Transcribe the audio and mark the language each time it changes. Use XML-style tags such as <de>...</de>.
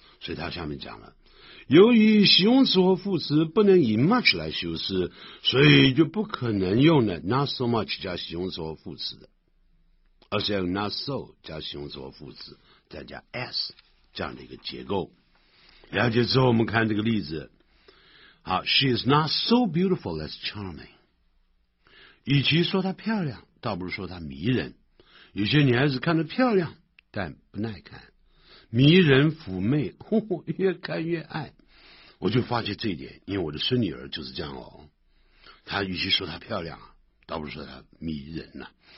<zh>所以他下面讲了，由于形容词或副词不能以 much 来修饰，所以就不可能用了</zh> <en>not so much</en> <zh>加形容词或副词的，而是要用 not so 加形容词或副词，再加 s 这样的一个结构。了解之后，我们看这个例子。</zh> <en>好 ，She is not so beautiful as charming。</en> <zh>与其说她漂亮，倒不如说她迷人。有些女孩子看着漂亮，但不耐看。迷人妩媚，呵呵，越看越爱。我就发觉这一点，因为我的孙女儿就是这样哦。她与其说她漂亮，倒不如说她迷人呐、啊。</zh>